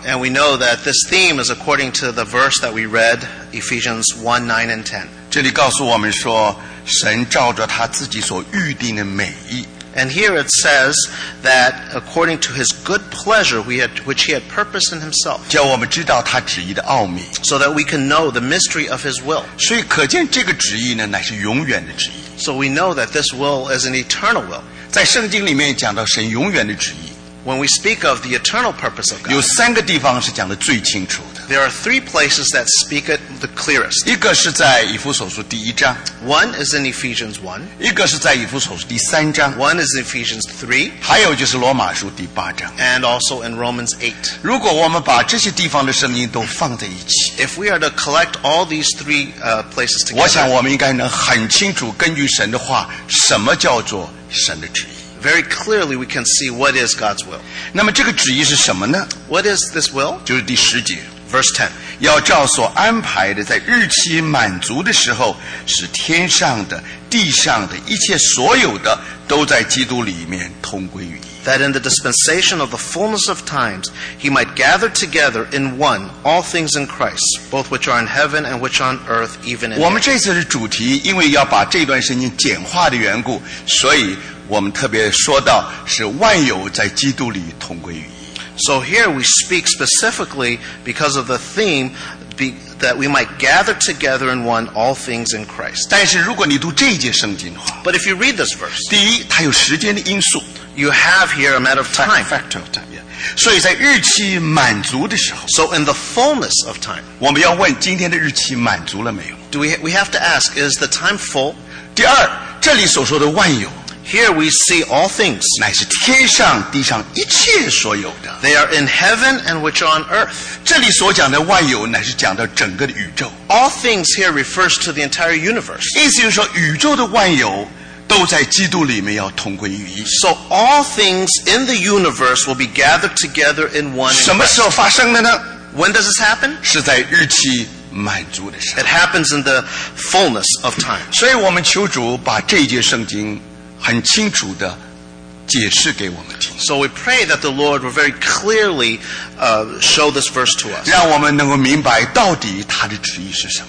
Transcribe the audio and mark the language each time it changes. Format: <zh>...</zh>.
<en>And we know that this theme is according to the verse that we read, Ephesians 1:9 and 10.</en> <zh>这里告诉我们说。神照着他自己所预定的美意。</zh> <en>And here it says that according to his good pleasure, which he had purposed in himself.</en> <zh>叫我们知道他旨意的奥秘。</zh> <en>So that we can know the mystery of his will.</en> <zh>所以可见这个旨意呢，乃是永远的旨意。</zh> <en>So we know that this will is an eternal will.</en> <zh>在圣经里面讲到神永远的旨意。</zh> <en>When we speak of the eternal purpose of God,</en> <zh>有三个地方是讲的最清楚的。</zh> <en>There are three places that speak it the clearest.</en> <zh>一个是在以弗所书第一章。</zh> <en>One is in Ephesians 1.</en> <zh>一个是在以弗所书第三章。</zh> <en>One is in Ephesians 3.</en> <zh>还有就是罗马书第八章。</zh> <en>And also in Romans 8.</en> <zh>如果我们把这些地方的声音都放在一起。</zh> <en>If we are to collect all these three places together,</en> <zh>我想我们应该能很清楚根据神的话，什么叫做神的旨意。</zh> <en>Very clearly we can see what is God's will.</en> <zh>那么这个旨意是什么呢?</zh> <en>What is this will?</en> <zh>就是第十节。</zh> <en>Verse 10.</en> <zh>要照所安排的在日期满足的时候使天上的地上的一切所有的都在基督里面同归于一。</zh> <en>That in the dispensation of the fullness of times, he might gather together in one all things in Christ, both which are in heaven and which are on earth, even in him.</en> <zh>我们这次的主题因为要把这段圣经简化的缘故所以我们特别说到是万有在基督里同归于一。</zh> <en>So here we speak specifically because of the theme that we might gather together in one all things in Christ.</en> <zh>但是如果你读这一节圣经的话</zh> <en>But if you read this verse,</en> <zh>第一它有时间的因素</zh> <en>You have here a matter of time. Factor of time, yeah.</en> <zh>所以在日期满足的时候</zh> <en>So in the fullness of time.</en> <zh>我们要问今天的日期满足了没有</zh> <en>Do we have to ask, is the time full?</en> <zh>第二这里所说的万有</zh> <en>Here we see all things.</en> <zh>乃是天上地上一切所有的。</zh> <en>They are in heaven and which are on earth.</en> <zh>这里所讲的万有乃是讲到整个的宇宙。</zh> <en>All things here refers to the entire universe.</en> <zh>意思就是说宇宙的万有都在基督里面要同归于一。</zh> <en>So all things in the universe will be gathered together in one.</en> <zh>什么时候发生的呢?</zh> <en>When does this happen?</en> <zh>是在日期满足的时候。</zh> <en>It happens in the fullness of time.</en> <zh>所以我们求主把这一节圣经很清楚地解释给我们听。</zh> <en>So we pray that the Lord will very clearly, show this verse to us.</en> <zh>让我们能够明白到底他的旨意是什么。</zh>